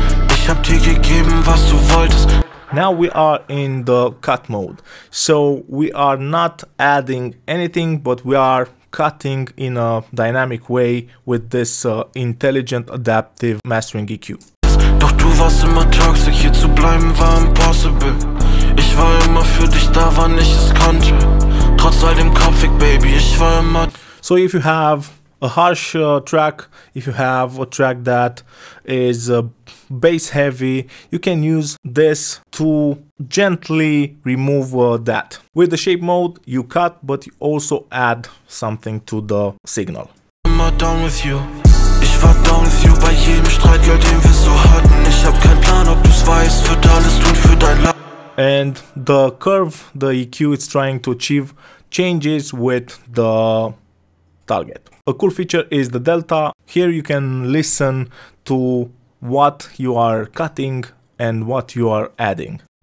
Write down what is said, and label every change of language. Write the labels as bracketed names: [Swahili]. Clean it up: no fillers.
[German] Ich hab dir gegeben, was du wolltest. [English] Now we are in the cut mode, so we are not adding anything, but we are cutting in a dynamic way with this intelligent adaptive mastering EQ. [German] Doch du warst immer toxic, hier zu bleiben war impossible. Ich war immer für dich da, wann ich es konnte. Trotz all dem Konflikt, baby, ich war immer. [English] So if you have a harsh track, if you have a track that is bass heavy, you can use this to gently remove that. With the shape mode, you cut, but you also add something to the signal. I'm down with you. [German] Ich war [English] down with you [German] bei jedem Streit, girl, den wir so hatten. Ich hab keinen Plan, ob du's weißt, würd alles tun für dein Lachen. [English] And the curve the EQ is trying to achieve changes with the target. A cool feature is the delta. Here you can listen to what you are cutting and what you are adding.